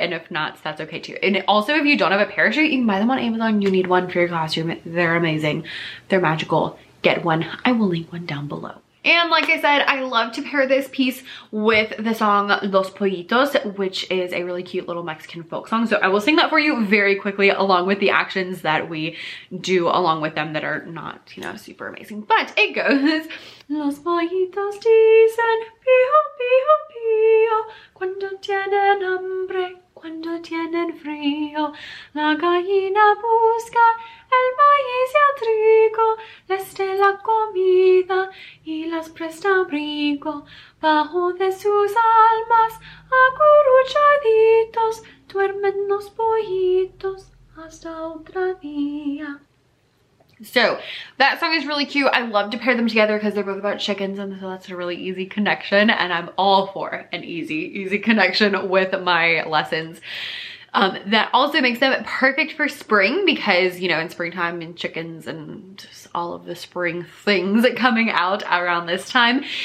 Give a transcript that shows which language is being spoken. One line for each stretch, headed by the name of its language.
English: And if not, that's okay too. And also, if you don't have a parachute, you can buy them on Amazon. You need one for your classroom. They're amazing. They're magical. get one. I will link one down below. And like I said, I love to pair this piece with the song Los Pollitos, which is a really cute little Mexican folk song. So I will sing that for you very quickly along with the actions that we do along with them that are not, you know, super amazing. But it goes,
Spanish: Los pollitos dicen pío, pío, pío, cuando tienen hambre, cuando tienen frío, la gallina busca el maíz y el trigo, les da la comida y les presta abrigo, bajo de sus almas acurruchaditos, duermen los pollitos hasta otro día.
English: So that song is really cute. I love to pair them together because they're both about chickens, and so that's a really easy connection, and I'm all for an easy connection with my lessons. That also makes them perfect for spring because, you know, in springtime and chickens and just all of the spring things coming out around this time.